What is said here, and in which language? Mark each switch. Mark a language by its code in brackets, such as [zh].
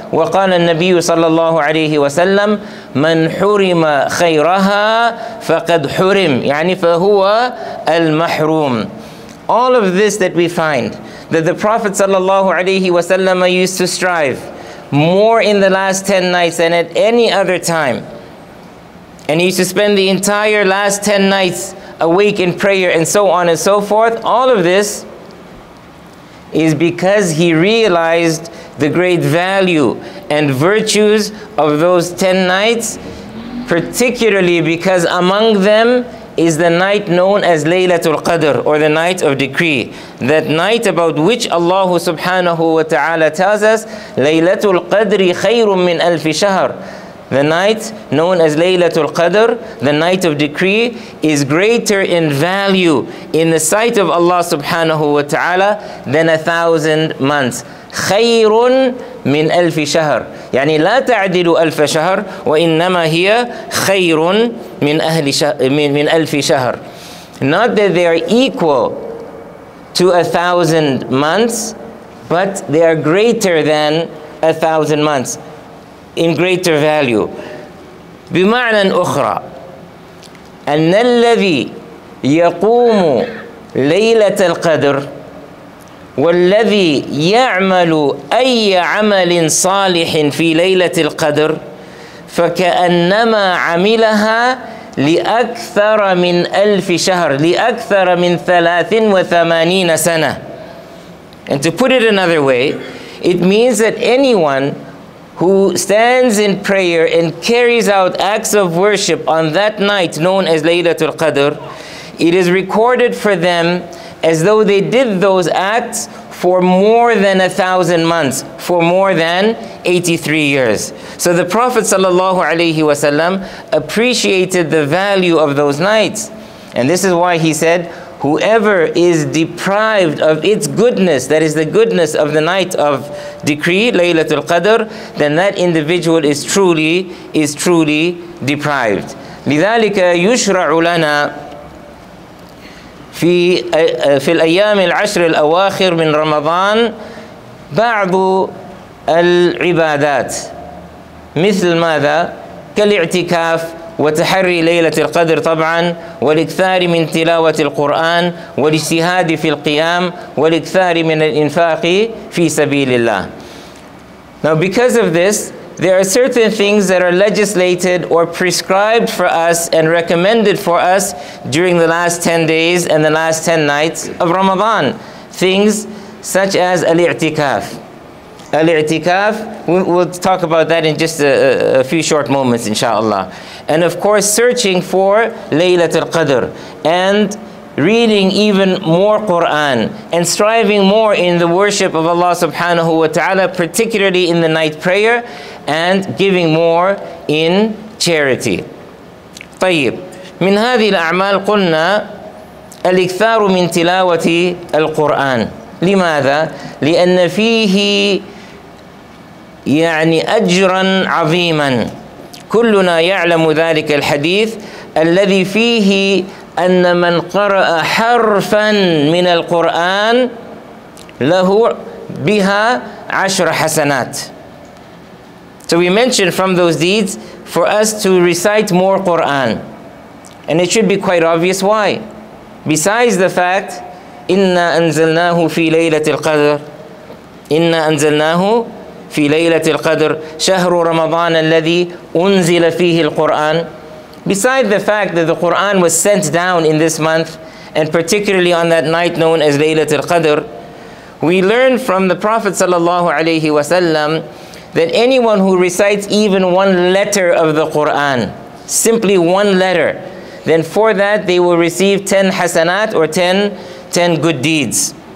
[ar] وقال النبي صلى الله عليه وسلم من حرم خيرها فقد حرم, يعني فهو المحروم. [en] All of this that we find that the Prophet [ar] صلى الله عليه وسلم [en] used to strive more in the last 10 nights than at any other time, and he used to spend the entire last 10 nights awake in prayer and so on and so forth, all of this is because he realized the great value and virtues of those 10 nights, particularly because among them is the night known as Laylatul Qadr, or the night of decree. That night about which Allah subhanahu wa ta'ala tells us, [ar] Laylatul Qadri khayrun min alfi shahr. [en] The night known as Laylatul Qadr, the night of decree, is greater in value in the sight of Allah subhanahu wa ta'ala than 1,000 months. [ar] خَيْرٌ مِنْ أَلْفِ شَهْرٍ يعني لا تعدل ألف شهر وإنما هي خَيْرٌ مِنْ أَلْفِ شَهْرٍ. [en] Not that they are equal to 1,000 months, but they are greater than 1,000 months. In greater value. [ar] بمعنى أخرى أن الذي يقوم ليلة القدر والذي يعمل أي عمل صالح في ليلة القدر فكأنما عملها لأكثر من ألف شهر, لأكثر من 83 سنة. [en] And to put it another way, it means that anyone who stands in prayer and carries out acts of worship on that night known as Laylatul Qadr, it is recorded for them as though they did those acts for more than 1,000 months, for more than 83 years. So the Prophet sallallahu alayhi wa sallam appreciated the value of those nights. And this is why he said, whoever is deprived of its goodness, that is the goodness of the night of decree, Laylatul Qadr, then that individual is truly deprived. [ar] لذلك يشرع لنا في الأيام العشر الأواخر من رمضان بعض العبادات مثل ماذا؟ كالاعتكاف وتحري ليلة القدر طبعا, والإكثار من تلاوة القرآن, والاجتهاد في القيام, والإكثار من الإنفاق في سبيل الله. [en] Now because of this, there are certain things that are legislated or prescribed for us and recommended for us during the last 10 days and the last 10 nights of Ramadan. Things such as al-i'tikaf. Al-i'tikaf, we'll talk about that in just a few short moments, inshallah. And of course, searching for Laylatul Qadr and reading even more Quran and striving more in the worship of Allah subhanahu wa ta'ala, particularly in the night prayer, and giving more in charity. [ar] طيب, من هذه الأعمال قلنا الإكثار من تلاوة القرآن. لماذا؟ لأن فيه يعني أجرا عظيما. كلنا يعلم ذلك الحديث الذي فيه أن من قرأ حرفا من القرآن له بها 10 حسنات. [en] So we mentioned from those deeds for us to recite more Quran. And it should be quite obvious why. Besides the fact, [ar] إِنَّا أَنزَلْنَاهُ فِي لَيْلَةِ الْقَدْرِ, إِنَّا أَنزَلْنَاهُ في ليلة القدر شهر رمضان الذي أنزل فيه القرآن. [en] Besides the fact that the Quran was sent down in this month, and particularly on that night known as Laylat al-Qadr, we learn from the Prophet sallallahu alayhi wa sallam that anyone who recites even one letter of the Quran, simply one letter, then for that they will receive 10 hasanat or 10 good deeds.